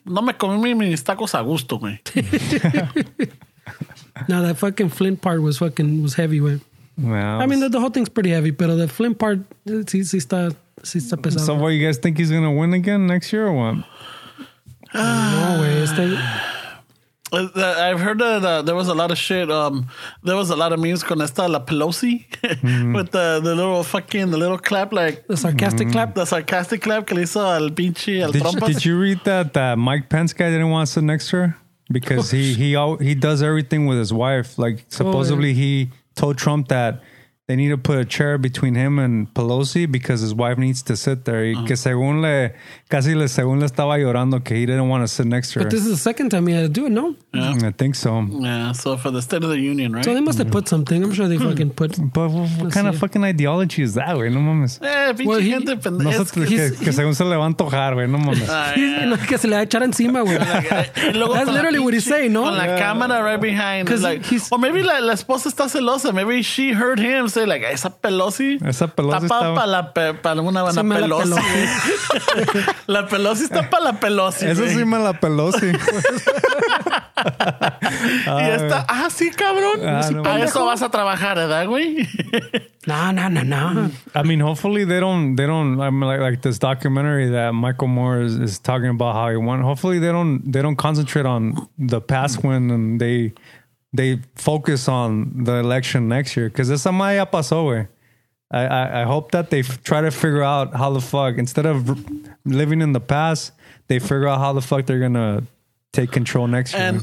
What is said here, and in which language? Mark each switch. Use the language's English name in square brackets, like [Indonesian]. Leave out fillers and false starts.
[Spanish] No me comí mis tacos a gusto, güey. [English] No, that fucking Flint part was fucking, was heavy, güey. Well, I mean, the whole thing's pretty heavy, but the Flint part, [Spanish] sí está pesado. [English] So what, you guys think he's going to win again next year or what? No way. I've heard that there was a lot of shit. There was a lot of memes [Spanish] con esta la Pelosi [English] with the little fucking, the little clap, like the sarcastic clap. The sarcastic clap [Spanish] que le hizo al pinche, al Trumpas. [English] Did you read that Mike Pence guy didn't want to sit next to her? Because he does everything with his wife. Like, supposedly he told Trump that they need to put a chair between him and Pelosi because his wife needs to sit there. Uh-huh. [Spanish] Que según le, casi le, según le estaba llorando que [English] he didn't want to sit next to her. But this is the second time he had to do it, no? Yeah. I think so. Yeah, so for the State of the Union, right? So they must have put something. I'm sure they fucking put. But what kind of fucking ideology is that, güey? [Spanish] No mames. Que según se le va a antojar, güey. No mames. Que se le va a echar encima, güey. [English] That's literally what he's saying, [Spanish] no? Con la cámara [English] right behind. Or maybe [Spanish] la esposa está celosa. [English] Maybe she heard him. Say like [Spanish] esa Pelosi está la Pelosi esa sí me la Pelosi. Y está sí cabrón, no, no, a eso vas a trabajar, ¿verdad, güey? No. [English] I mean, hopefully they don't I mean, like this documentary that Michael Moore is talking about how he won, hopefully they don't concentrate on the past win and they focus on the election next year. [Spanish] Because esa madre ya pasó, güey. [English] I hope that they try to figure out how the fuck, instead of living in the past, they figure out how the fuck they're going to take control next year.